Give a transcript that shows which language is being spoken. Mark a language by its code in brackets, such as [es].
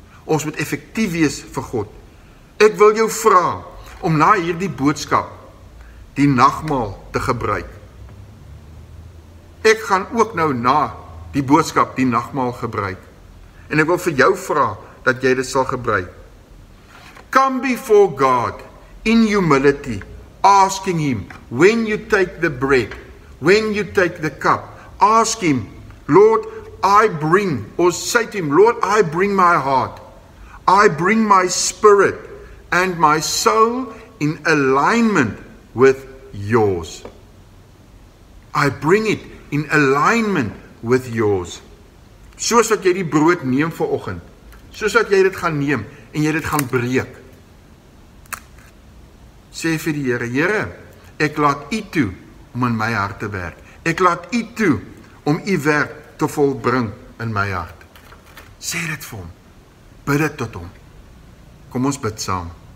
[af] Ons moet effektief wees vir God. Ek wil jou vra om na hierdie boodskap die nagmaal te gebruik. Ek gaan ook nou na die boodskap die nagmaal gebruik. En ek wil vir jou vra dat jy dit sal gebruik. [en] Come before God in humility, asking him, when you take the bread, when you take the cup, ask him, Lord, I bring, or say to him, Lord, I bring my heart, I bring my spirit and my soul in alignment with yours. I bring it in alignment with yours. [af] Soos wat jy die brood neem vir oggend, soos wat jy dit gaan neem en jy dit gaan breek, sê vir die Here, Here, ek laat u toe om in my hart te werk. Ek laat u toe om u werk te volbring in my hart. Sê dit vir hom. Bid dit tot hom. Kom ons bid saam.